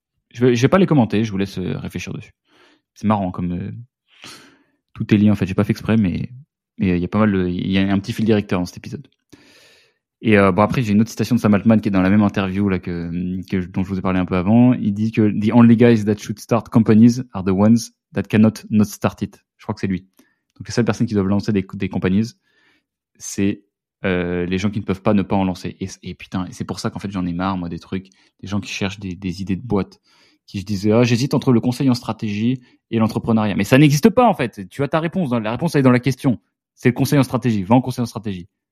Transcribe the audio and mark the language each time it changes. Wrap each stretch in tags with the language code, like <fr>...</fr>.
<fr>Je vais pas les commenter, je vous laisse réfléchir dessus. C'est marrant, comme tout est lié en fait. J'ai pas fait exprès, mais il y a pas mal de, il y a un petit fil directeur dans cet épisode. Et bon, après j'ai une autre citation de Sam Altman qui est dans la même interview là que dont je vous ai parlé un peu avant. Il dit que</fr> <en>the only guys that should start companies are the ones that cannot not start it.</en> <fr>Je crois que c'est lui. Donc les seules personnes qui doivent lancer des companies, c'est les gens qui ne peuvent pas ne pas en lancer. Et putain, c'est pour ça qu'en fait j'en ai marre moi des trucs, des gens qui cherchent des idées de boîte, qui je disais ah j'hésite entre le conseil en stratégie et l'entrepreneuriat. Mais ça n'existe pas en fait. Tu as ta réponse. La réponse elle est dans la question. C'est le conseil en stratégie. Va en conseil en stratégie.</fr>